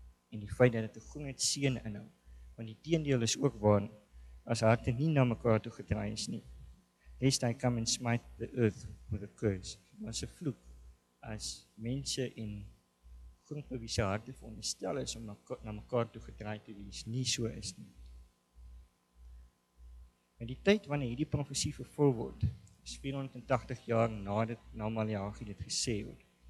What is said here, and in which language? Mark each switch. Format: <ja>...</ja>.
<af>En die feit dat dit 'n groot seën inhou. Want die teendeel is ook waar, as harte nie na mekaar toe gedraai is nie.</af> <en>Lest I come and smite the earth with a curse.</en> <af>Was 'n vloek as mense en groepe wie se harte veronderstel is om na mekaar toe gedraai te wees, nie so is nie. En die tyd wanneer hierdie profesie vervul word, is 480 jaar nadat Malachi dit gesê het.</af>